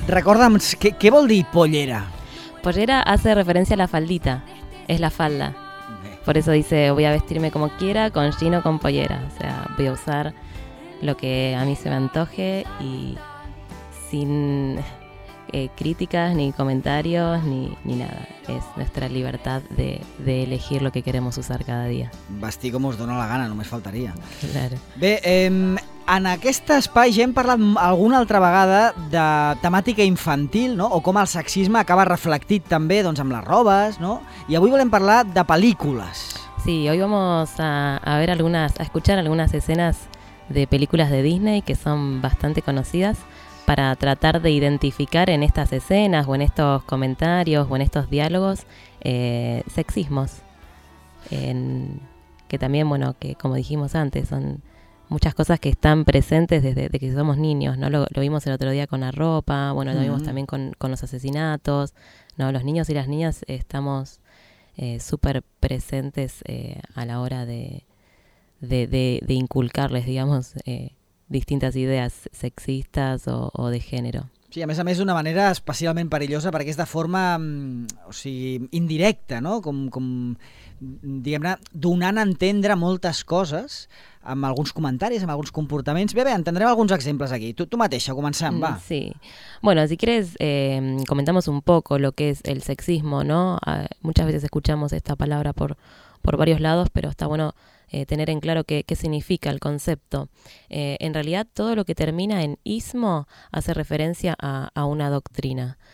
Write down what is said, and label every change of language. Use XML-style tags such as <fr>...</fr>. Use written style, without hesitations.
<ca>Recorda'm, què vol dir pollera?</ca> <es>Pollera hace referencia a la faldita, es la falda. Por eso dice, voy a vestirme como quiera, con jean o con pollera. O sea, voy a usar lo que a mí se me antoje y sin críticas, ni comentarios, ni nada. Es nuestra libertad de elegir lo que queremos usar cada día.</es> <ca>Vestir com us dona la gana, només faltaria.</ca> <es>Claro.</es> <ca>Bé, en aquest espai ja hem parlat alguna altra vegada de temàtica infantil, no? O com el sexisme acaba reflectit també doncs, amb les robes, no? I avui volem parlar de pel·lícules.</ca> <es>Sí, hoy vamos a ver algunas, a escuchar algunas escenas de películas de Disney que son bastante conocidas para tratar de identificar en estas escenas o en estos comentarios o en estos diálogos sexismos. Que también, bueno, que como dijimos antes, son muchas cosas que están presentes desde que somos niños, ¿no? Lo vimos el otro día con la ropa, bueno, lo vimos también con los asesinatos, ¿no? Los niños y las niñas estamos súper presentes a la hora de inculcarles, digamos, distintas ideas sexistas o de género.</es> <ca>Sí, a més d'una manera especialment perillosa perquè és de forma, o sigui, indirecta, no? Com diguem-ne, donant a entendre moltes coses amb alguns comentaris, amb alguns comportaments. Bé, entendrem alguns exemples aquí. Tu mateixa, comencem, va. Sí.</ca> <es>Bueno, si quieres, comentamos un poco lo que es el sexismo, ¿no? Muchas veces escuchamos esta palabra por varios lados, pero está bueno tener en claro qué significa el concepto. En realidad, todo lo que termina en ismo hace referencia a una doctrina.</es>